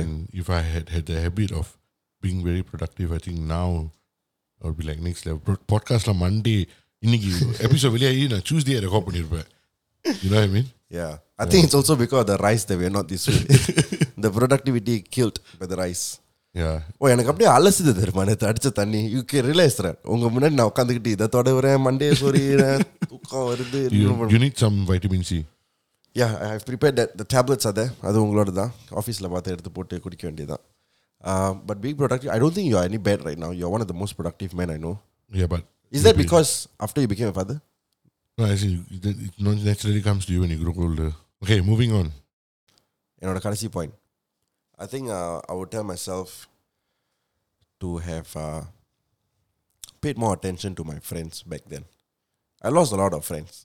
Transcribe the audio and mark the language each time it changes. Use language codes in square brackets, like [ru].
[en] And if I had the habit of being very productive, I think now I would be like next level. Podcast la Monday, episode na Tuesday at the company. You know what I mean? Yeah. I think it's also because of the rice that we're not this way. The productivity killed by the rice. Yeah. [ta] Oh, எனக்கு அப்படியே அலசுது தெரியுமா நேற்று அடிச்ச தண்ணி U K realise உங்க முன்னாடி நான் உட்காந்துக்கிட்டு இதை தொடவுறேன் மண்டே சொரிய தூக்கம் வருது [en] you need some vitamin C. Yeah, I have prepared that. The tablets are there. [ta] அது உங்களோட தான் ஆஃபீஸில் பார்த்து எடுத்து போட்டு குடிக்க வேண்டியதுதான். [en] But being productive, I don't think you are any bad right now. You are one of the most productive men I know. Yeah, but is that because after you became a father? No, I see. It naturally comes to you when you grow older. Okay, moving on. [ta] என்னோட கடைசி point. [en] I think I would tell myself to have paid more attention to my friends back then. I lost a lot of friends.